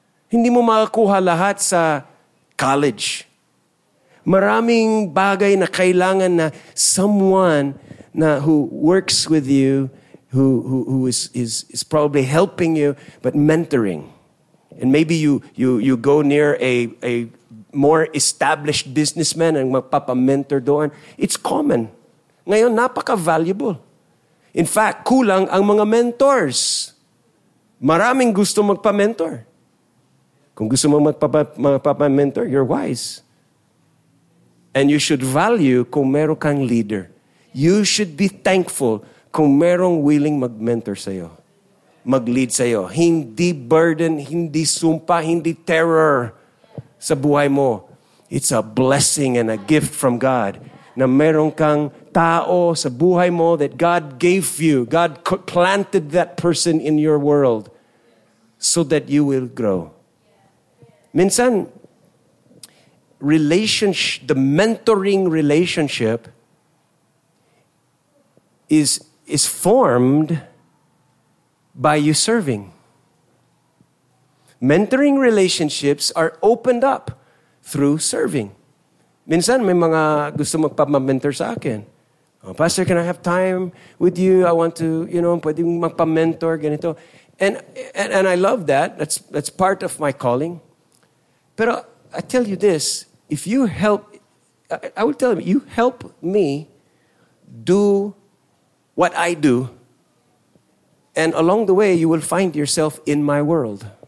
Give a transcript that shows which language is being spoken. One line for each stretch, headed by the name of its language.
Filipino: Hindi mo makakuha lahat sa college. Maraming bagay na kailangan na
English: someone na who works with you, who is probably helping you, but mentoring. And maybe you go near a more established businessman and
Filipino: magpapa-mentor doon.
English: It's common.
Filipino: Ngayon, napaka-valuable.
English: In fact,
Filipino: kulang ang mga
English: mentors.
Filipino: Maraming gusto magpa-mentor. Kung gusto mo magpapa-mentor,
English: you're wise. And you should value
Filipino: kung meron kang leader.
English: You should be thankful
Filipino: kung merong willing mag-mentor sa'yo. Mag-lead sa'yo. Hindi burden, hindi sumpa, hindi terror sa buhay mo.
English: It's a blessing and a gift from God
Filipino: na meron kang tao sa buhay mo
English: that God gave you. God planted that person in your world so that you will grow. Minsan, relationship, the mentoring relationship is formed by you serving. Mentoring relationships are opened up through serving.
Filipino: Minsan, may mga gusto magpa-mentor sa akin.
English: Oh, Pastor, can I have time with you? I want to, you know,
Filipino: pwede magpa-mentor, ganito.
English: And I love that. That's part of my calling. Pero I tell you this, if you help, I will tell you, you help me do what I do, and along the way, you will find yourself in my world.